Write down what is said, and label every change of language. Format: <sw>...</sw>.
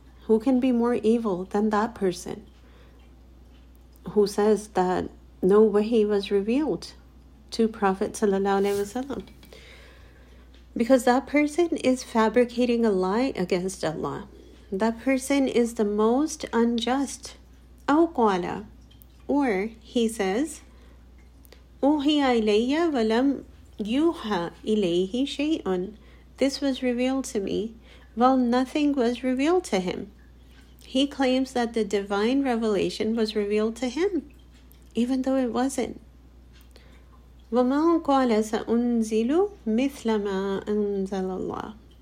<en>Who can be more evil than that person who says that no wahi was revealed to Prophet ﷺ? Because that person is fabricating a lie against Allah. That person is the most unjust.</en> <ar>أو قال,</ar> <en>or he says,</en> <ar>أُوحِيَ إِلَيَّ وَلَمْ يُوحَ إِلَيْهِ شَيْءٌ.</ar> <en>This was revealed to me, while nothing was revealed to him. He claims that the divine revelation was revealed to him, even though it wasn't.</en> <ar>وَمَا قَالَ سَأُنزِلُ مِثْلَ مَا أَنزَلَ اللَّهُ.</ar>